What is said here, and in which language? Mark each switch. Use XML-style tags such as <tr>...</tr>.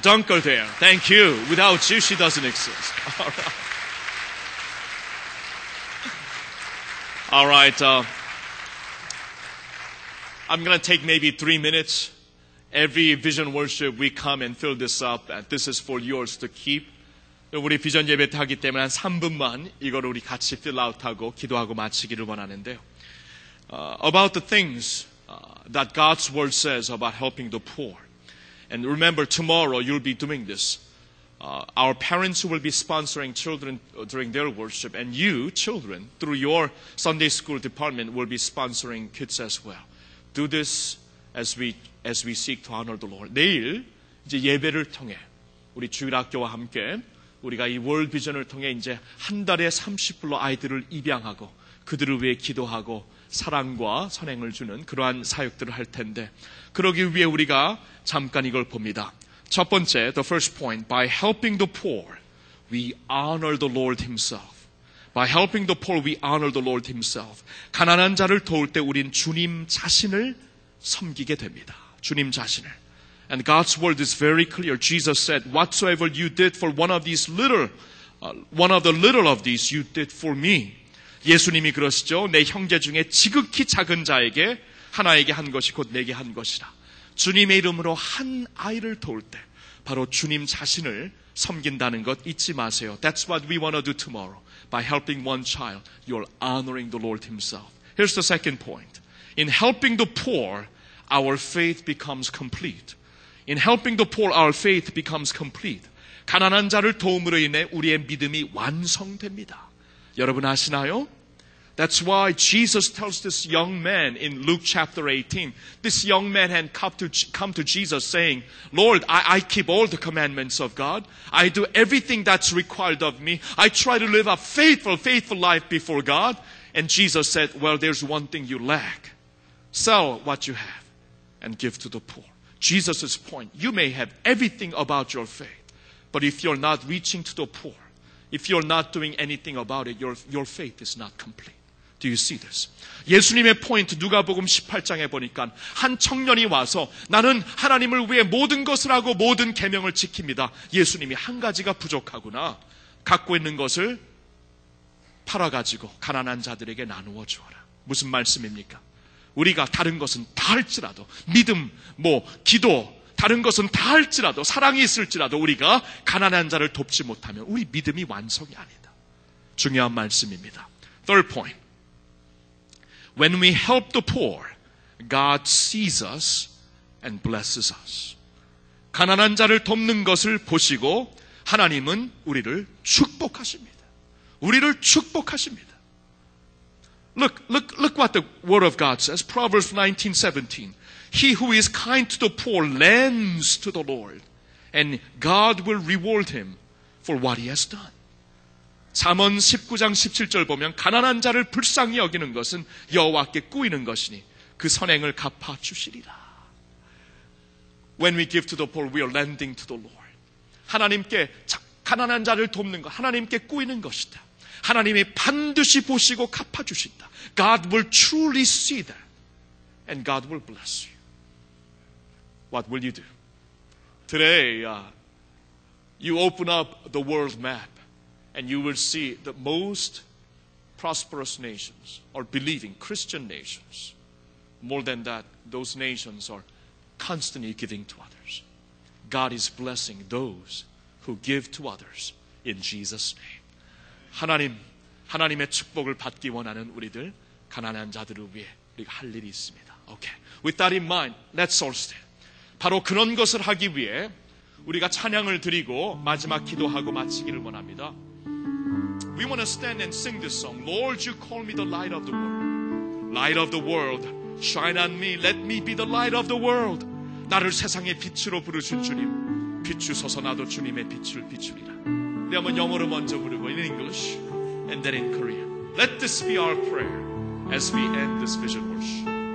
<en>Dunker there. Thank you. Without you, she doesn't exist. All right. All right. I'm going to take maybe 3 minutes. Every vision worship, we come and fill this up, and this is for yours to keep.</en> <ko>우리 비전 예배 하기 때문에 한 3분만 이걸 우리 같이</ko> <en>fill out</en> <ko>하고 기도하고 마치기를 원하는데요.</ko> <en>About the things that God's word says about helping the poor. And remember, tomorrow you'll be doing this. Our parents will be sponsoring children during their worship, and you, children, through your Sunday school department, will be sponsoring kids as well. Do this as we seek to honor the Lord.</en> <ko>내일 이제 예배를 통해 우리 주일 학교와 함께 우리가 이 월 비전을 통해 이제 한 달에 30불로 아이들을 입양하고 그들을 위해 기도하고 사랑과 선행을 주는 그러한 사역들을 할 텐데 그러기 위해 우리가 잠깐 이걸 봅니다. 첫 번째,</ko> <en>the first point, by helping the poor, we honor the Lord Himself. By helping the poor, we honor the Lord Himself.</en> <ko>가난한 자를 도울 때 우린 주님 자신을 섬기게 됩니다. 주님 자신을. And God's word is very clear.</ko> <en>Jesus said, whatsoever you did for one of these little of these, you did for me.</en> <ko>예수님이 그러시죠. 내 형제 중에 지극히 작은 자에게 하나에게 한 것이 곧 내게 한 것이라. 주님의 이름으로 한 아이를 도울 때 바로 주님 자신을 섬긴다는 것 잊지 마세요.</ko> <en>That's what we want to do tomorrow. By helping one child, you're honoring the Lord Himself. Here's the second point. In helping the poor, our faith becomes complete. In helping the poor, our faith becomes complete.</en> <ko>가난한 자를 도움으로 인해 우리의 믿음이 완성됩니다. 여러분 아시나요?</ko> <en>That's why Jesus tells this young man in Luke chapter 18. This young man had come to Jesus saying, Lord, I keep all the commandments of God. I do everything that's required of me. I try to live a faithful life before God. And Jesus said, well, there's one thing you lack. Sell what you have and give to the poor. Jesus' point, you may have everything about your faith, but if you're not reaching to the poor, if you're not doing anything about it, your faith is not complete. Do you see this?</en> <ko>예수님의 포인트 누가복음 18장에 보니까 한 청년이 와서 나는 하나님을 위해 모든 것을 하고 모든 계명을 지킵니다. 예수님이 한 가지가 부족하구나. 갖고 있는 것을 팔아가지고 가난한 자들에게 나누어 주어라. 무슨 말씀입니까? 우리가 다른 것은 다 할지라도 믿음, 뭐 기도, 다른 것은 다 할지라도 사랑이 있을지라도 우리가 가난한 자를 돕지 못하면 우리 믿음이 완성이 아니다. 중요한 말씀입니다.</ko> <en>Third point. When we help the poor, God sees us and blesses us.</en> <ko>가난한 자를 돕는 것을 보시고 하나님은 우리를 축복하십니다. 우리를 축복하십니다.</ko> <en>Look what the word of God says. Proverbs 19:17. He who is kind to the poor lends to the Lord, and God will reward him for what he has done.</en> <ko>잠언 19장 17절 보면 가난한 자를 불쌍히 여기는 것은 여호와께 꾸이는 것이니 그 선행을 갚아주시리라.</ko> <en>When we give to the poor, we are lending to the Lord.</en> <ko>하나님께 가난한 자를 돕는 것, 하나님께 꾸이는 것이다. 하나님이 반드시 보시고 갚아주신다.</ko> <en>God will truly see that. And God will bless you. What will you do? Today, you open up the world map and you will see the most prosperous nations are believing Christian nations. More than that, those nations are constantly giving to others. God is blessing those who give to others in Jesus' name.</en> <ko>하나님의 축복을 받기 원하는 우리들, 가난한 자들을 위해 우리가 할 일이 있습니다.</ko> <en>Okay. With that in mind, let's all stand.</en> <ko>바로 그런 것을 하기 위해 우리가 찬양을 드리고 마지막 기도하고 마치기를 원합니다.</ko> <en>We want to stand and sing this song. Lord, you call me the light of the world. Light of the world, shine on me. Let me be the light of the world.</en> <ko>나를 세상의 빛으로 부르신 주님, 비추소서 나도 주님의 빛을 비추리라. 우리 한번 영어로 먼저 부르고,</ko> <en>in English, and then in Korean. Let this be our prayer as we end this vision worship.</en>